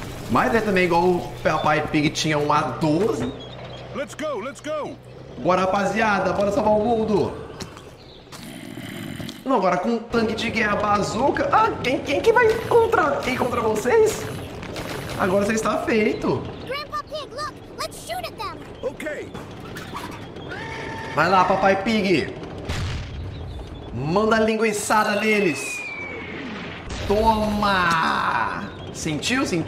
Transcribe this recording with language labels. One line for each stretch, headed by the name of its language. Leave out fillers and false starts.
Portuguese: Mas é também igual o Peppa Pig tinha um A12.
English: Let's go!
Portuguese: Bora, rapaziada, bora salvar o mundo. Não, agora com um tanque de guerra bazuca. Ah, quem que vai contra vocês? Agora você está feito.
English: Grandpa Pig, look, let's shoot at them. Ok.
Portuguese: Vai lá, Papai Pig. Manda a linguiçada neles. Toma! Sentiu?